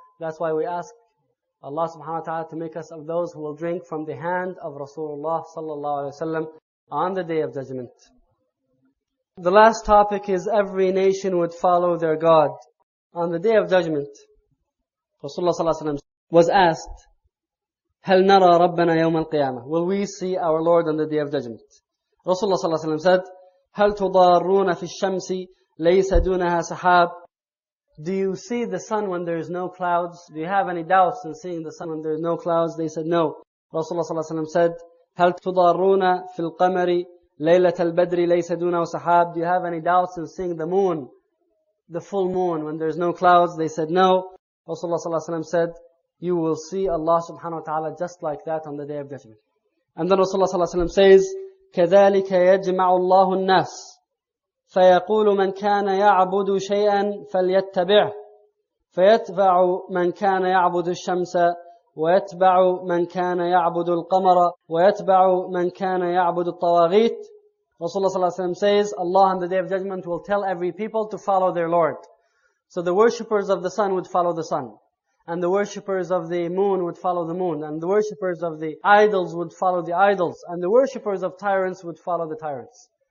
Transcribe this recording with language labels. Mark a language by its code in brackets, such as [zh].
[en] That's why we ask Allah subhanahu wa ta'ala to make us of those who will drink from the hand of Rasulullah sallallahu alayhi wa sallam on the Day of Judgment. The last topic is every nation would follow their God. On the Day of Judgment, Rasulullah sallallahu alayhi wa sallam was asked, [ar] هَلْ نَرَى رَبَّنَا يَوْمَ الْقِيَامَةِ. [en] Will we see our Lord on the Day of Judgment? [ar] Rasulullah sallallahu alayhi wa sallam said, هَلْ تُضَارُونَ فِي الشَّمْسِ لَيْسَ دُونَهَا سَحَابٌ. [en] Do you see the sun when there is no clouds? Do you have any doubts in seeing the sun when there is no clouds? They said, no. [ar] Rasulullah sallallahu alayhi wa sallam said, هَلْ تُضَارُونَ فِي الْقَمَرِ لَيْلَةَ الْبَدْرِ لَيْسَ دُونَهَا سَحَابٌ. [en] Do you have any doubts in seeing the moon, the full moon, when there is no clouds? They said, no. Rasulullah sallallahu alayhi wa sallam said, you will see Allah subhanahu wa ta'ala just like that on the Day of Judgment. [ar] And then Rasulullah sallallahu alayhi wa sallam says, كَذَلِكَ يَجْمَعُ اللَّهُ النَّاسِ فَيَقُولُ مَنْ كَانَ يَعْبُدُ شَيْئًا فَلْيَتَّبِعُ فَيَتْبَعُ مَنْ كَانَ يَعْبُدُ الشَّمْسَ وَيَتْبَعُ مَنْ كَانَ يَعْبُدُ الْقَمَرَ وَيَتْبَعُ مَنْ كَانَ يَعْبُدُ الطَّوَاغِيتِ. [en] Rasulullah sallallahu alayhi wa sallam says, Allah on the Day of Judgment will tell every people to follow their Lord. So the worshippers of the sun would follow the sun. And the worshippers of the moon would follow the moon. And the worshippers of the idols would follow the idols. And the worshippers of tyrants would follow the tyrants.